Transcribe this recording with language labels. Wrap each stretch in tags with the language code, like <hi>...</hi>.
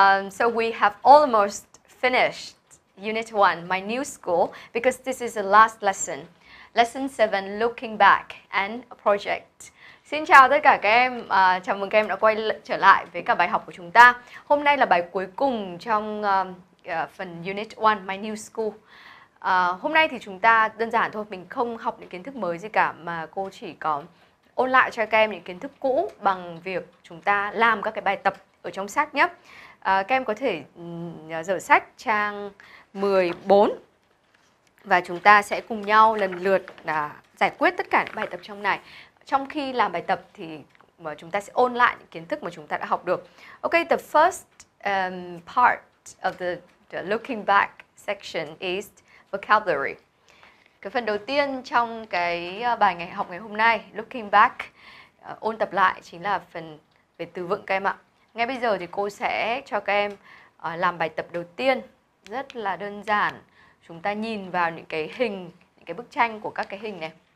<en>So we have almost finished Unit 1, My New School, because this is the last lesson. Lesson 7, Looking Back and a Project.</en> <vi>Xin chào tất cả các em. Chào mừng các em đã quay trở lại với cả bài học của chúng ta. Hôm nay là bài cuối cùng trong phần Unit 1, My New School. Hôm nay thì chúng ta đơn giản thôi, mình không học những kiến thức mới gì cả, mà cô chỉ có ôn lại cho các em những kiến thức cũ bằng việc chúng ta làm các cái bài tập ở trong sách nhé. Các em có thể dở sách trang 14 và chúng ta sẽ cùng nhau lần lượt giải quyết tất cả những bài tập trong này. Trong khi làm bài tập thì chúng ta sẽ ôn lại những kiến thức mà chúng ta đã học được.</vi> <en>Ok, the first part of the looking back section is vocabulary.</en> <vi>Cái phần đầu tiên trong cái bài ngày học ngày hôm nay, looking back, ôn tập lại chính là phần về từ vựng các em ạ. Ngay bây giờ thì cô sẽ cho các em làm bài tập đầu tiên. Rất là đơn giản. Chúng ta nhìn vào những cái hình, những cái bức tranh của các cái hình này.</vi>